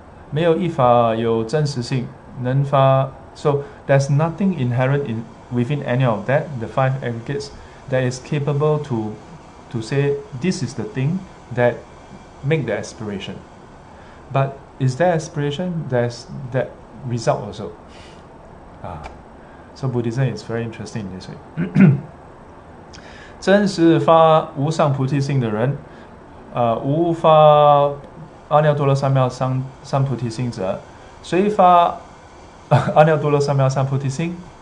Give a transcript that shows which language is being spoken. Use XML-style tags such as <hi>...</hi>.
<zh>没有一法有真实性，能发。</zh> <en>So there's nothing inherent in within any of that, the five aggregates, that is capable to say this is the thing that make the aspiration. But is there aspiration? There's that result also. So Buddhism is very interesting in this way.</en> <zh>真实发无上菩提心的人，无发阿耨多罗三藐三菩提心者，谁发阿耨多罗三藐三菩提心？</zh>